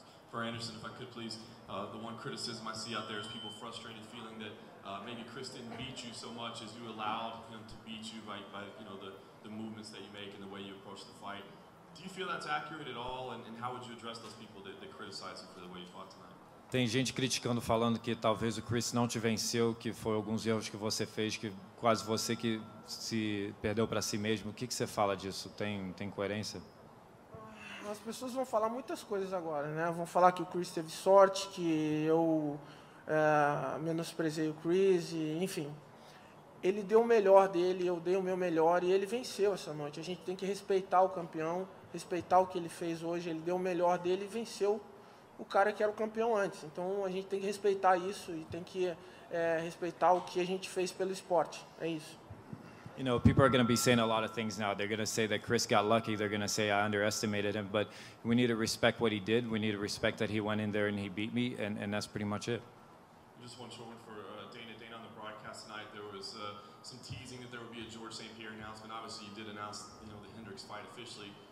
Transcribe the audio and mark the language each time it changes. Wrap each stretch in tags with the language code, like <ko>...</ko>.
<en>For Anderson, if I could please, the one criticism I see out there is people frustrated feeling that maybe Chris didn't beat you so much as you allowed him to beat you by you know, the movements that you make and the way you approach the fight. Do you feel that's accurate at all? And how would you address those people that criticize you for the way you fought tonight?</en> <pt>Tem gente criticando, falando que talvez o Chris não te venceu, que foi alguns erros que você fez, que quase você que se perdeu para si mesmo. O que, que você fala disso? Tem coerência? As pessoas vão falar muitas coisas agora, né? Vão falar que o Chris teve sorte, que eu menosprezei o Chris, e, enfim. Ele deu o melhor dele, eu dei o meu melhor e ele venceu essa noite. A gente tem que respeitar o campeão, respeitar o que ele fez hoje. Ele deu o melhor dele e venceu o cara que era o campeão antes. Então, a gente tem que respeitar isso e tem que respeitar o que a gente fez pelo esporte. É isso.</pt> <en>You know, people are going to be saying a lot of things now. They're going to say that Chris got lucky. They're going to say I underestimated him. But we need to respect what he did. We need to respect that he went in there and he beat me. And that's pretty much it. Just one short one for Dana. Dana, on the broadcast tonight, there was some teasing that there would be a George St-Pierre announcement. Obviously, you did announce, you know, the Hendricks fight officially.</en>